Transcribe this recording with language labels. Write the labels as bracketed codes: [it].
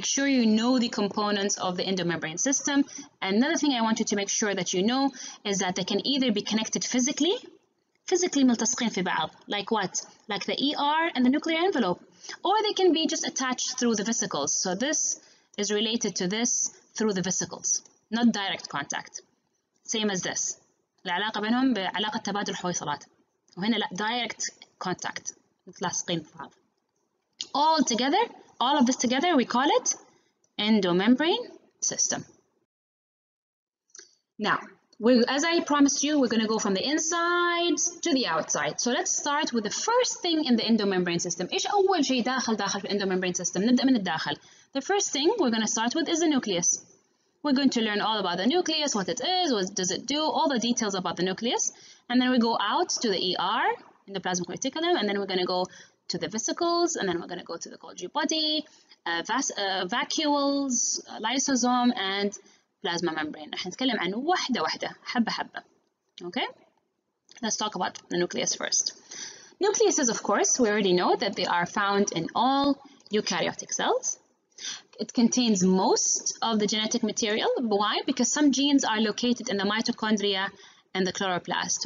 [en] Make sure you know the components of the endomembrane system. Another thing I want you to make sure that you know is that they can either be connected physically [ar] ملتصقين في بعض, [en] like what? Like the ER and the nuclear envelope. Or they can be just attached through the vesicles. So this is related to this through the vesicles, not direct contact. Same as this. [ar] العلاقة بينهم بعلاقة تبادل الحويصلات. وهنا لا, [en] direct contact. [ar] متلاصقين ببعض. [en] All together, all of this together, we call it endomembrane system. Now, as I promised you, we're going to go from the inside to the outside. So let's start with the first thing in the endomembrane system. [ar] إيش أول شيء داخل في endomembrane system؟ نبدأ من الداخل. [en] The first thing we're going to start with is the nucleus. We're going to learn all about the nucleus, what it is, what does it do, all the details about the nucleus. And then we go out to the ER, endoplasmic reticulum, and then we're going to go to the vesicles, and then we're going to go to the Golgi body, vacuoles, lysosome, and plasma membrane. [ar] رح نتكلم عن واحدة واحدة, حبة حبة. [en] Okay? Let's talk about the nucleus first. Nucleuses, of course, we already know that they are found in all eukaryotic cells. It contains most of the genetic material. Why? Because some genes are located in the mitochondria and the chloroplast.